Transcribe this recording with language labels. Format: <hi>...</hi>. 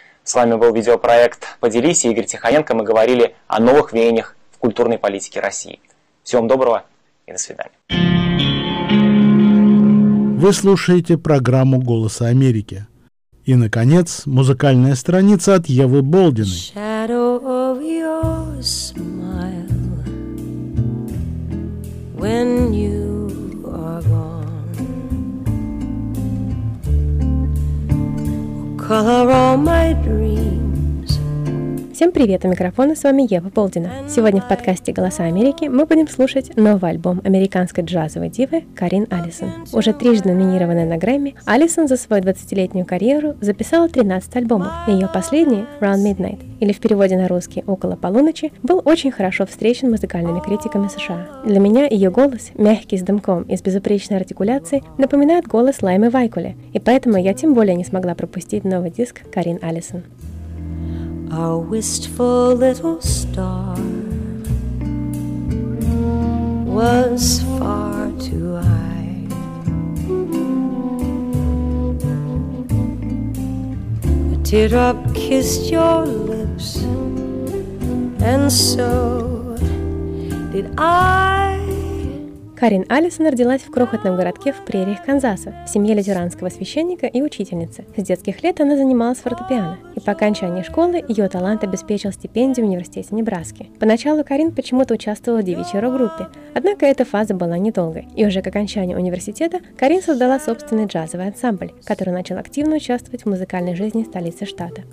<ru>С вами был видеопроект «Поделись» и Игорь Тихоненко. Мы говорили о новых веяниях в культурной политике России. Всего вам доброго и до свидания. Вы слушаете программу «Голоса Америки». И, наконец, музыкальная страница от Евы Болдиной.</ru> <en>Shadow of your smile when you are gone.</en> <ru>Всем привет, у микрофона с вами Ева Болдина. Сегодня в подкасте «Голоса Америки» мы будем слушать новый альбом американской джазовой дивы Карин Алисон. Уже трижды номинированная на Грэмми, Алисон за свою 20-летнюю карьеру записала 13 альбомов. Ее последний, «Round Midnight», или в переводе на русский «Около полуночи», был очень хорошо встречен музыкальными критиками США. Для меня ее голос, мягкий, с дымком и с безупречной артикуляцией, напоминает голос Лаймы Вайкули, и поэтому я тем более не смогла пропустить новый диск Карин Алисон.</ru> <en>A wistful little star was far too high. A teardrop kissed your lips, and so did I.</en> <ru>Карин Алисон родилась в крохотном городке в прериях Канзаса в семье лютеранского священника и учительницы. С детских лет она занималась фортепиано, и по окончании школы ее талант обеспечил стипендию в университете Небраски. Поначалу Карин почему-то участвовала в девичьей рок-группе, однако эта фаза была недолгой, и уже к окончанию университета Карин создала собственный джазовый ансамбль, который начал активно участвовать в музыкальной жизни столицы штата.</ru>